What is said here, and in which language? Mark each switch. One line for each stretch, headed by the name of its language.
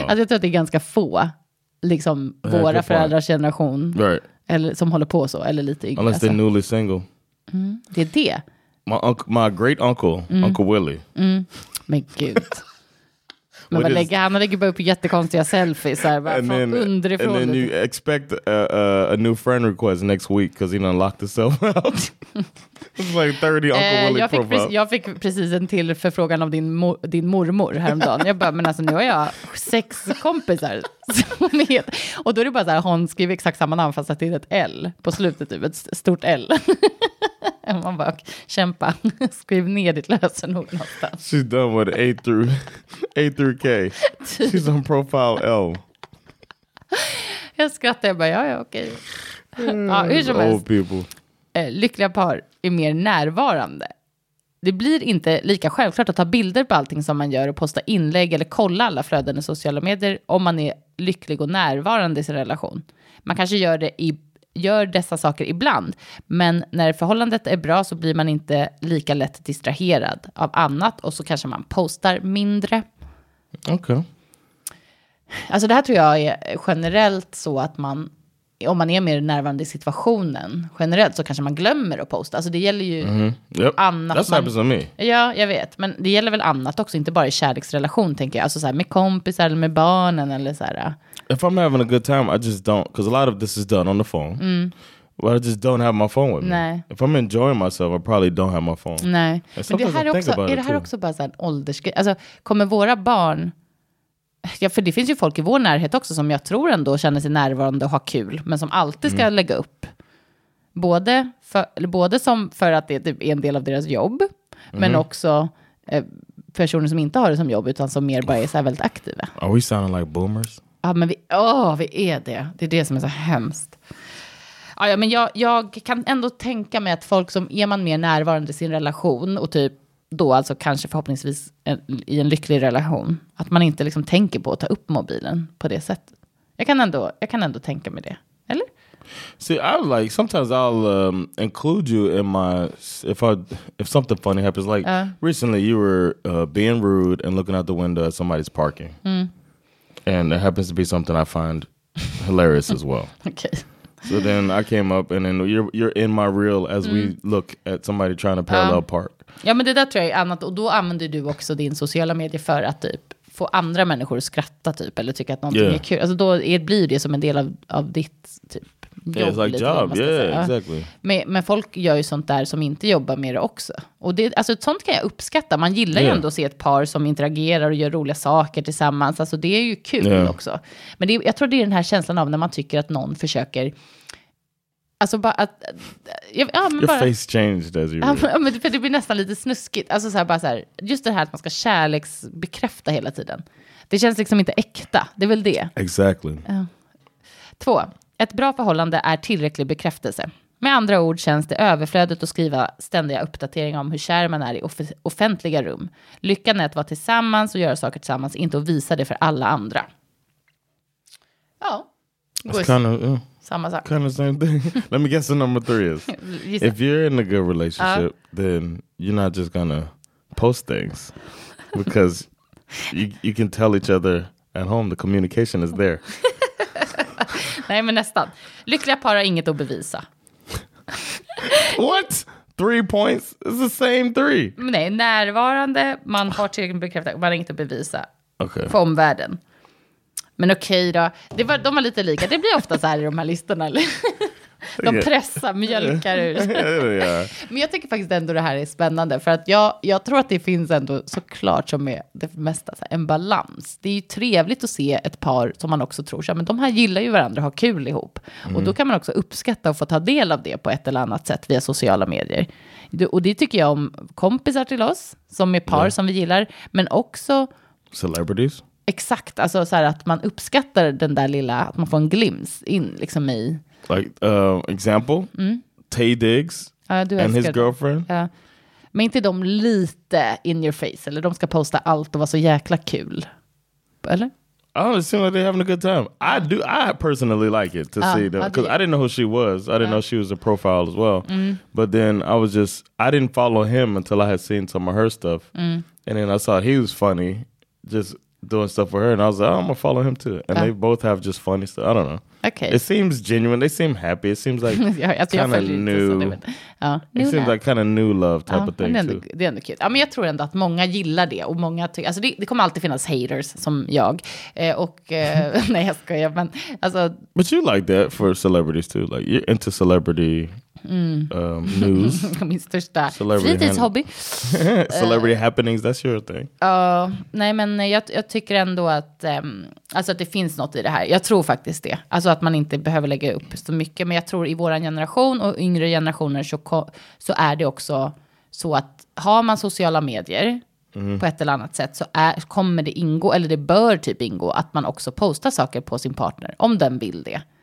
Swedish: Alltså jag tror att det är ganska få liksom våra föräldrars generation eller som håller på så eller lite yngre.
English: Unless they're newly single.
Swedish: Det är det.
English: My great uncle, Uncle Willie.
Swedish: Men gud. Men vad lägger han? Han lägger bara upp jättekonstiga selfies. Så här,
English: and, then, and then you expect a new friend request next week because he unlocked himself out. It's like 30 Uncle Willie profiles.
Swedish: Jag fick precis en till förfrågan av din mormor häromdagen. Jag bara, men alltså nu har jag sex kompisar. Och då är det bara så här, hon skriver exakt samma namn fast att det är ett L på slutet, typ ett stort L. Man bara, kämpa. Skriv ner ditt lösenord någonstans.
English: She's done with A through K. She's on profile L.
Swedish: Jag skrattar, jag bara, ja, okej. Ja, hur som
English: old
Swedish: helst.
English: People.
Swedish: Lyckliga par är mer närvarande. Det blir inte lika självklart att ta bilder på allting som man gör och posta inlägg eller kolla alla flöden i sociala medier om man är lycklig och närvarande i sin relation. Man kanske gör dessa saker ibland, men när förhållandet är bra så blir man inte lika lätt distraherad av annat och så kanske man postar mindre. Okej. Alltså det här tror jag är generellt så att man, om man är mer närvarande i situationen generellt, så kanske man glömmer att posta. Alltså det gäller ju annat.
English: That's happens to me.
Swedish: Ja, jag vet. Men det gäller väl annat också, inte bara i kärleksrelation, tänker jag. Alltså så här, med kompisar eller med barnen eller så här.
English: If I'm having a good time, I just don't. Because a lot of this is done on the phone. Mm. But I just don't have my phone with me.
Swedish: Nej.
English: If I'm enjoying myself, I probably don't have my phone.
Swedish: Nej. Men det här också, är det här också bara så här en åldersgrej? Alltså, kommer våra barn... Ja, för det finns ju folk i vår närhet också som jag tror ändå känner sig närvarande och har kul, men som alltid ska lägga upp. Både för, eller både som för att det är en del av deras jobb, men också personer som inte har det som jobb, utan som mer bara är så här väldigt aktiva.
English: Are we sounding like boomers?
Swedish: Ja, men vi är det. Det är det som är så hemskt. Ja, men jag kan ändå tänka mig att folk som är man mer närvarande i sin relation och typ då, alltså kanske förhoppningsvis i en lycklig relation, att man inte liksom tänker på att ta upp mobilen på det sättet. Jag kan ändå tänka mig det, eller?
English: See, I like sometimes I'll include you in my if something funny happens, like recently you were being rude and looking out the window at somebody's parking. Mm. And it happens to be something I find hilarious as well. Okay. So then I came up and then you're in my reel as we look at somebody trying to parallel park.
Swedish: Ja, men det där tror jag är annat. Och då använder du också din sociala medie för att typ få andra människor att skratta typ, eller tycka att någonting är kul. Alltså då blir det som en del av ditt typ jobb.
English: Yeah, it's like
Swedish: lite,
English: job, exactly.
Swedish: Men folk gör ju sånt där som inte jobbar med det också. Och det, alltså ett sånt kan jag uppskatta. Man gillar ju ändå att se ett par som interagerar och gör roliga saker tillsammans. Alltså det är ju kul också. Men det, jag tror det är den här känslan av när man tycker att någon försöker... Alltså bara att
English: your face changed as you read.
Swedish: Ja, men det blir nästan lite snuskigt. Alltså så här, bara så här, just det här att man ska kärleksbekräfta hela tiden. Det känns liksom inte äkta. Det är väl det.
English: Exactly.
Swedish: Två. Ett bra förhållande är tillräcklig bekräftelse. Med andra ord känns det överflödigt att skriva ständiga uppdateringar om hur kär man är i offentliga rum. Lyckan är att vara tillsammans och göra saker tillsammans, inte att visa det för alla andra. Ja.
English: It's kind of
Swedish: samma sak.
English: Kind of same thing. Let me guess what number three is. If you're in a good relationship, then you're not just gonna post things. Because you can tell each other at home, the communication is there.
Swedish: Nej, men nästan. Lyckliga par har inget att bevisa.
English: What? 3 points? It's the same three.
Swedish: Men nej, närvarande, man har tillräckligt bekräftat, man har inget att bevisa. Okay. För omvärlden. Men okej då, de var lite lika. Det blir ofta så här i de här listorna. De pressar, mjölkar ut. Men jag tycker faktiskt ändå det här är spännande. För att jag tror att det finns ändå såklart som är det mesta så här, en balans. Det är ju trevligt att se ett par som man också tror sig. Men de här gillar ju varandra och har kul ihop. Och då kan man också uppskatta och få ta del av det på ett eller annat sätt via sociala medier. Och det tycker jag om kompisar till oss som är par som vi gillar. Men också...
English: Celebrities.
Swedish: Exakt, alltså så här att man uppskattar den där lilla, att man får en glimps in liksom i...
English: Like, example, Tay Diggs and his girlfriend.
Swedish: Ja. Men inte de lite
English: in your face,
Swedish: eller de ska posta allt och vara så jäkla kul, eller?
English: Oh, it seems like they're having a good time. I do, I personally like it to see them, because I didn't know who she was. I didn't know she was a profile as well. Mm. But then I was just, I didn't follow him until I had seen some of her stuff. Mm. And then I saw he was funny, just... doing stuff for her, and I was like, oh, I'm gonna follow him too. And they both have just funny stuff. I don't know. Okay. It seems genuine. They seem happy. It seems like kind of new. It seems like kind of new love type of thing
Swedish: ändå,
English: too.
Swedish: Det är ändå kul. Ja, men jag tror ändå att många gillar det. Och många tycker, alltså det kommer alltid finnas haters som jag. nej, jag skojar, men alltså.
English: But you like that for celebrities too. Like, you're into celebrity news.
Swedish: Min största fritidshobby.
English: Celebrity happenings, that's your thing.
Swedish: Nej, men jag tycker ändå att alltså att det finns något i det här. Jag tror faktiskt det. Alltså att man inte behöver lägga upp så mycket. Men jag tror i våran generation och yngre generationer så är det också så att har man sociala medier på ett eller annat sätt, så kommer det ingå, eller det bör typ ingå, att man också postar saker på sin partner om den vill det.